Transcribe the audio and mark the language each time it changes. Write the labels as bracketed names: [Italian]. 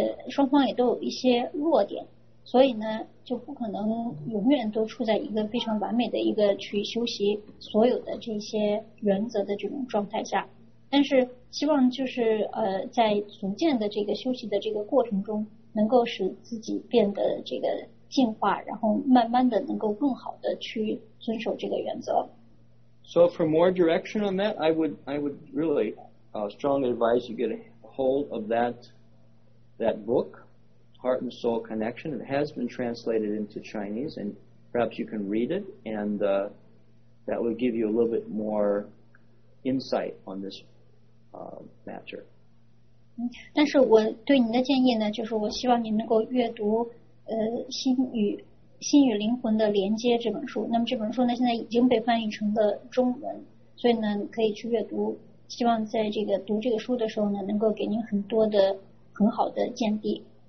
[Chinese] 双方也都有一些弱点，所以呢就不可能永远都处在一个非常完美的一个去修习所有的这些原则的这种状态下，但是希望就是在逐渐的这个修习的这个过程中能够使自己变得这个进化，然后慢慢的能够更好的去遵守这个原则。 [English] So for more direction on that, I would really strongly advise you get a hold of that book, Heart and Soul Connection. It has been translated into Chinese, and perhaps you can read it, and that would give you a little bit more insight on this matter. [Chinese] 但是我对您的建议呢，就是我希望您能够阅读心与灵魂的连接这本书，那么这本书呢现在已经被翻译成了中文，所以呢可以去阅读，希望在这个读这个书的时候呢能够给您很多的很好的见地。